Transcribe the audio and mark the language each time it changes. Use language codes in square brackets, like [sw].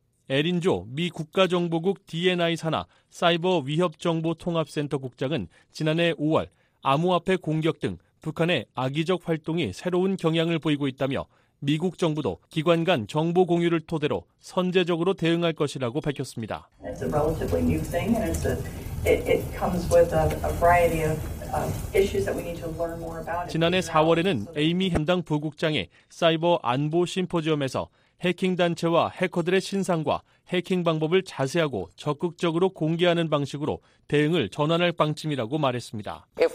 [ko] 에린조 미 국가정보국 DNI 산하 사이버 위협정보통합센터 국장은 지난해 5월 암호화폐 공격 등 북한의 악의적 활동이 새로운 경향을 보이고 있다며 미국 정부도 기관 간 정보 공유를 토대로 선제적으로 대응할 것이라고 밝혔습니다. [en] It's a relatively new thing and it comes with a variety of issues that we need to learn more about. [ko] 지난해 4월에는 에이미 햄당 부국장이 사이버 안보 심포지엄에서 해킹 단체와 해커들의 신상과 해킹 방법을 자세하고 적극적으로 공개하는 방식으로 대응을 전환할 방침이라고 말했습니다.